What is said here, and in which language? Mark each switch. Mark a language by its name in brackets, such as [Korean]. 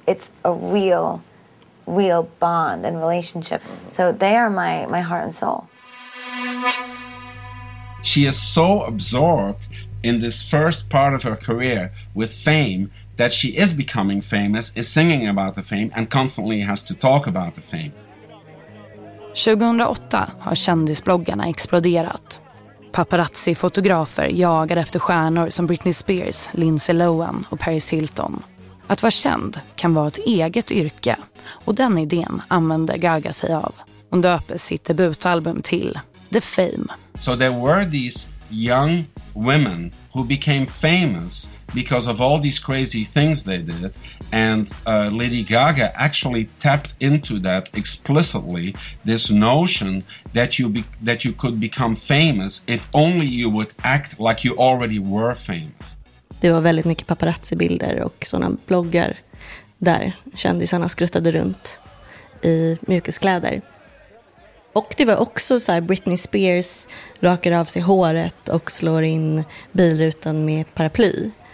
[English] It's a real, real bond and relationship. So they are my heart and soul. She is so absorbed in this first part of her career with fame that she is becoming famous, is singing about the fame and constantly has to talk about the fame. [Swedish] 2008 har kändisbloggarna exploderat. Paparazzi-fotografer jagar efter stjärnor som Britney Spears, Lindsay Lohan och Paris Hilton. Att vara känd kan vara ett eget yrke, och den idén använder Gaga sig av. Hon döper sitt debutalbum till The Fame. [English] So there were these young women who became famous because of all these crazy things they did, and Lady Gaga actually tapped into that explicitly, this notion that you could become famous if only you would act like you already were famous. [Swedish] Det var väldigt mycket paparazzi-bilder och såna bloggar där kändisarna skruttade runt i mjukiskläder. Och det var också så här, Britney Spears rakar av sig håret och slår in bilrutan med ett paraply.